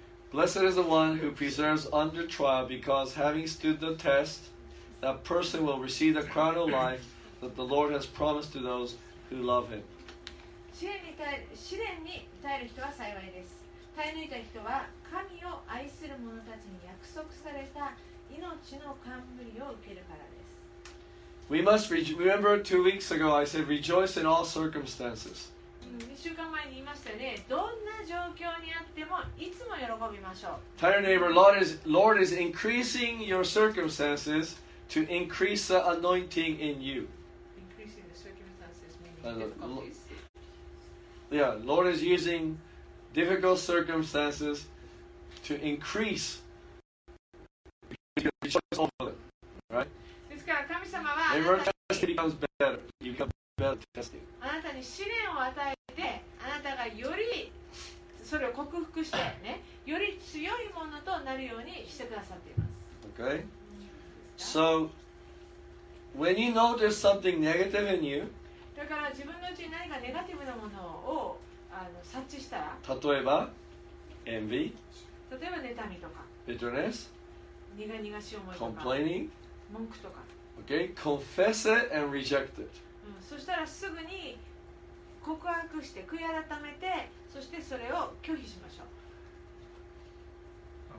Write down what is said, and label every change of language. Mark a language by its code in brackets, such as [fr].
[en] Blessed is the one who perseveres under trial, because having stood the test, that person will receive the crown of life that the Lord has promised to those who love Him. [ja] 試練に耐える人は幸いです。耐え抜いた人は神を愛する者たちに約束された命の冠を受けるからです。 [en] We must remember 2 weeks ago I said rejoice in all circumstances. [ja] 2週間前に言いましたね。どんな状況にあってもいつも喜びましょう。 [en] Tell your neighbor, Lord is increasing your circumstances to increase the anointing in you. Increasing the circumstances meaning difficulties. Lord is using difficult circumstances to increase your rejoicing. Right? [ja] 神様はあなたに試練を与えて、あなたがより、それを克服して、神様はあなたより強いものとなるようにしてくださっています。 [en] Okay. So, when you know there's something negative in you, [ja] だから自分のうちに何かネガティブなものを察知したら、例えば、envy、例えば、妬みとか、 [en] bitterness、 [ja] 苦々しい思いとか、 [en] complaining、 [ja] 文句とか。 [en] Okay, confess it and reject it. [ja] そしたらすぐに告白して悔い改めて、そしてそれを拒否しましょう。